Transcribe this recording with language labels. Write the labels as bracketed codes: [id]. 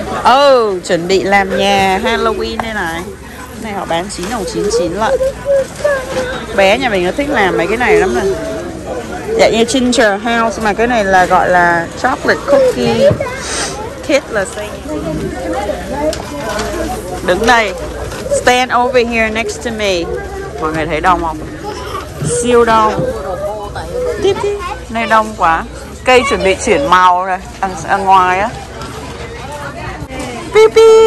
[vi] Oh, chuẩn bị làm nhà Halloween đây này. Cái này họ bán 9 đồng 99 lận. Bé nhà mình nó thích làm mấy cái này lắm nè. Dạ như Ginger House mà cái này là gọi là [en] chocolate cookie kit [vi] là gì? Đứng đây. [en] Stand over here next to me. [vi] Mọi người thấy đông không? Siêu đông. Tiếp đi. Này đông quá. Cây chuẩn bị chuyển màu rồi. Ở ngoài á. Pi pi.